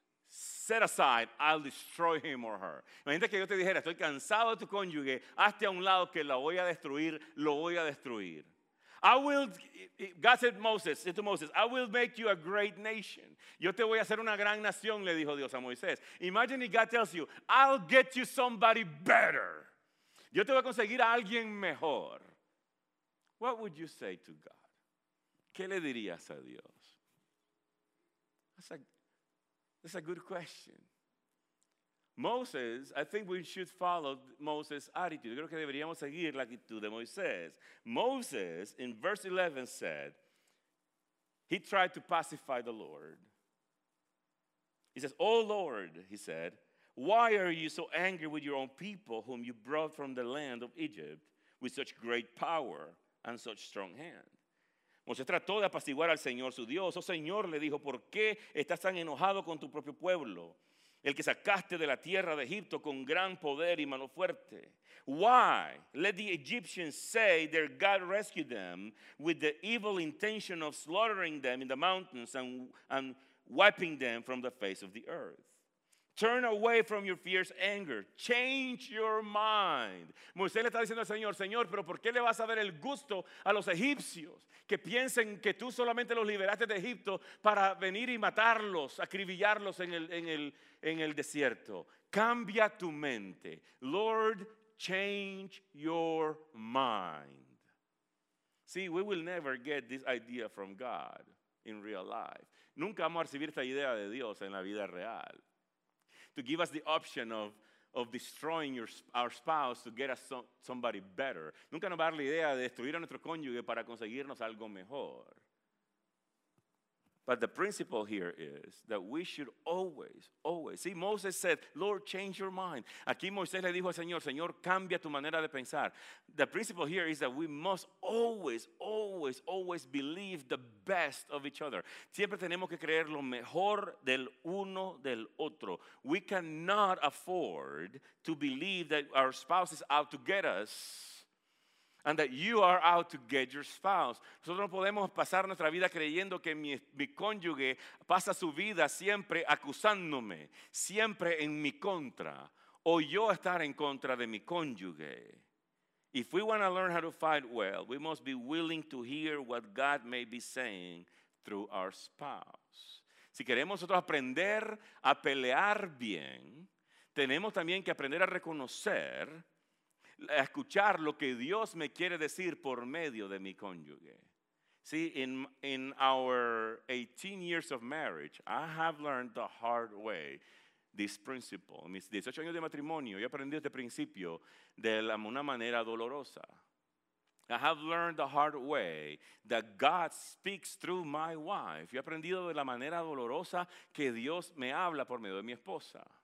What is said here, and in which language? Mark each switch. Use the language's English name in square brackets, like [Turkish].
[English] Set aside, I'll destroy him or her. [Spanish] Imagínate que yo te dijera, estoy cansado de tu cónyuge, hazte a un lado que lo voy a destruir, lo voy a destruir. [English] I will, God said Moses, said to Moses, I will make you a great nation. [Spanish] Yo te voy a hacer una gran nación, le dijo Dios a Moisés. [English] Imagine if God tells you, I'll get you somebody better. [Spanish] Yo te voy a conseguir a alguien mejor. [English] What would you say to God? [Spanish] ¿Qué le dirías a Dios? [English] That's a good question. Moses, I think we should follow Moses' attitude. [Spanish] Creo que deberíamos seguir la actitud de Moisés. [English] Moses, in verse 11, said, he tried to pacify the Lord. He says, oh Lord, he said, why are you so angry with your own people whom you brought from the land of Egypt with such great power and such strong hand? [Spanish] Moisés trató de apaciguar al Señor su Dios. Oh Señor, le dijo, ¿por qué estás tan enojado con tu propio pueblo? El que sacaste de la tierra de Egipto con gran poder y mano fuerte. [English] Why? Let the Egyptians say their God rescued them with the evil intention of slaughtering them in the mountains and wiping them from the face of the earth. Turn away from your fierce anger. Change your mind. [Spanish] Moisés le está diciendo al Señor, Señor, ¿pero por qué le vas a dar el gusto a los egipcios que piensen que tú solamente los liberaste de Egipto para venir y matarlos, acribillarlos en el desierto? Cambia tu mente. [English] Lord, change your mind. See, we will never get this idea from God in real life. [Spanish] Nunca vamos a recibir esta idea de Dios en la vida real. [English] To give us the option of destroying our spouse to get us somebody better. [Spanish] Nunca nos va a dar la idea de destruir a nuestro cónyuge para conseguirnos algo mejor. [English] But the principle here is that we should always, always. See, Moses said, Lord, change your mind. [Spanish] Aquí Moisés le dijo al Señor, Señor, cambia tu manera de pensar. [English] The principle here is that we must always, always, always believe the best of each other. [Spanish] Siempre tenemos que creer lo mejor del uno del otro. [English] We cannot afford to believe that our spouse is out to get us. And that you are out to get your spouse. [Spanish] Nosotros no podemos pasar nuestra vida creyendo que mi cónyuge pasa su vida siempre acusándome, siempre en mi contra, o yo estar en contra de mi cónyuge. [English] If we want to learn how to fight well, we must be willing to hear what God may be saying through our spouse. [Spanish] Si queremos nosotros aprender a pelear bien, tenemos también que aprender a reconocer, a escuchar lo que Dios me quiere decir por medio de mi cónyuge. [English] See, in our 18 years of marriage, I have learned the hard way this principle. [Spanish] Mis 18 años de matrimonio, yo aprendí este principio de una manera dolorosa. [English] I have learned the hard way that God speaks through my wife. [Spanish] Yo he aprendido de la manera dolorosa que Dios me habla por medio de mi esposa.